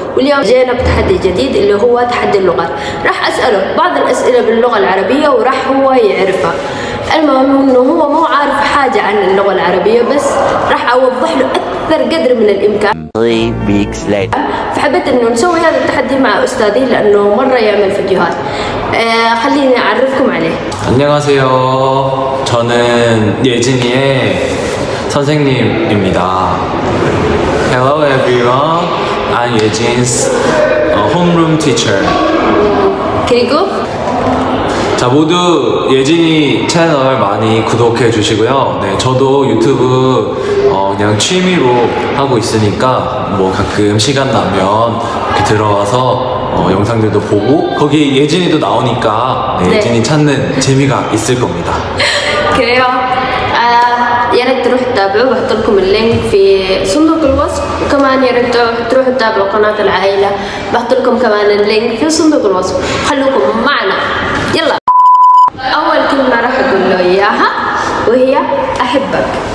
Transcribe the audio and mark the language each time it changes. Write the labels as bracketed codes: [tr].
[ar] واليوم جينا بتحدي جديد اللي هو تحدي اللغات، راح أسأله بعض الأسئلة باللغة العربية وراح هو يعرفها. المهم انه هو مو عارف حاجة عن اللغة العربية، بس راح أوضح له أكثر قدر من الإمكان. فحبيت انه نسوي هذا التحدي مع أستاذي لأنه مرة يعمل فيديوهات. خليني أعرفكم عليه. [ko] 안녕하세요. 저는 예진이의 선생님입니다. [en] Hello everyone. I'm Yejin's homeroom teacher. [ko] 그리고 자 모두 예진이 채널 많이 구독해 주시고요. 네, 저도 유튜브 그냥 취미로 하고 있으니까 뭐 가끔 시간 나면 이렇게 들어와서 영상들도 보고 거기 예진이도 나오니까 네, 예진이 네. 찾는 재미가 있을 겁니다. 그래요. 아, 얘네 들어왔다고 [ar] بحطلكم اللينك في صندوق الوصف. كمان يا ريت تروحوا تتابعوا قناة العائلة، بحطلكم كمان اللينك في صندوق الوصف. خلوكم معنا. يلا أول كلمة راح أقول له إياها وهي أحبك.